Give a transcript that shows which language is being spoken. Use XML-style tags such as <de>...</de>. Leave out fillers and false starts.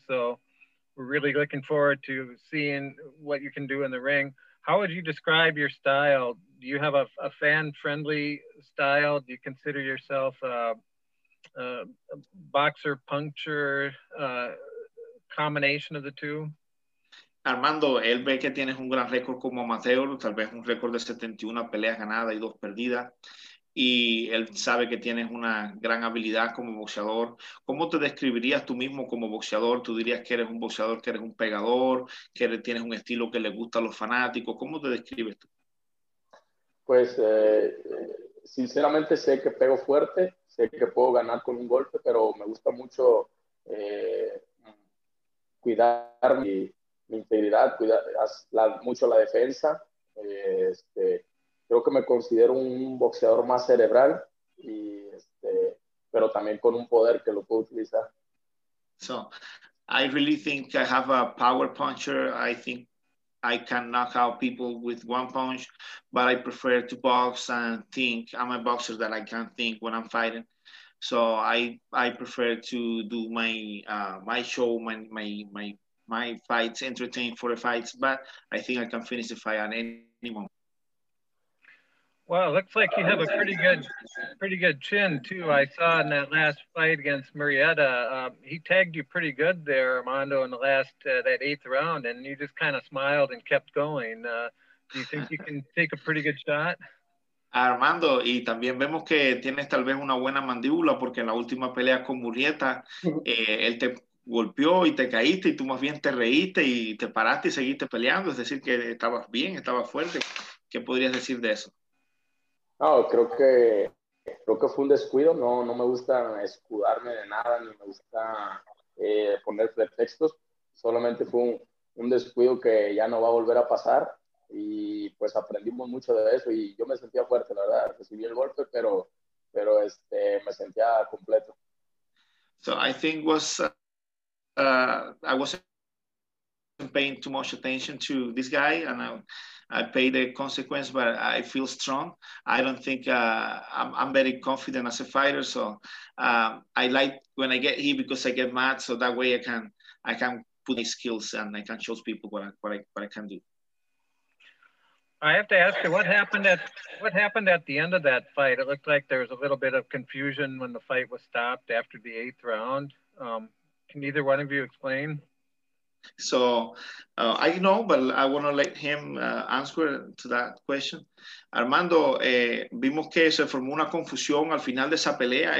<en>So we're really looking forward to seeing what you can do in the ring. How would you describe your style? Do you have a fan-friendly style? Do you consider yourself a boxer puncture combination of the two?</en> <es>Armando, él ve que tienes un gran récord como amateur, tal vez un récord de 71 peleas ganadas y dos perdidas. Y él sabe que tienes una gran habilidad como boxeador. ¿Cómo te describirías tú mismo como boxeador? ¿Tú dirías que eres un boxeador, que eres un pegador, que tienes un estilo que le gusta a los fanáticos? ¿Cómo te describes tú? Pues, sinceramente sé que pego fuerte, sé que puedo ganar con un golpe, pero me gusta mucho cuidar mi integridad, mucho la defensa, creo que me considero un boxeador más cerebral, y pero también con un poder que lo puedo utilizar.</es> <en>So, I really think I have a power puncher. I think I can knock out people with one punch, but I prefer to box and think. I'm a boxer that I can think when I'm fighting. So I prefer to do my show, my fights, entertain for the fights, but I think I can finish the fight at any moment. Well, it looks like you have a pretty good chin, too. I saw in that last fight against Marietta, he tagged you pretty good there, Armando, in the last, that eighth round, and you just kind of smiled and kept going. Do you think you can take a pretty good shot?</en> <es>Armando, y también vemos que tienes tal vez una buena mandíbula, porque en la última pelea con Murrieta, él te golpeó y te caíste, y tú más bien te reíste y te paraste y seguiste peleando. Es decir, que estabas bien, estabas fuerte. ¿Qué podrías decir de eso? No, creo que fue un descuido. No me gusta escudarme de nada, ni me gusta poner pretextos. Solamente fue un descuido que ya no va a volver a pasar. Y pues aprendimos mucho de eso. Y yo me sentía fuerte, la verdad. Recibí el golpe, pero me sentía completo.</es> <en>So I think was I wasn't paying too much attention to this guy, and I pay the consequence, but I feel strong. I don't think I'm very confident as a fighter. So I like when I get hit because I get mad. So that way I can put my skills and I can show people what I can do. I have to ask you what happened at the end of that fight. It looked like there was a little bit of confusion when the fight was stopped after the eighth round. Can either one of you explain? So I know, but I want to let him answer to that question.</en> <es>Armando, vimos que se formó una confusión al final de esa pelea.</es>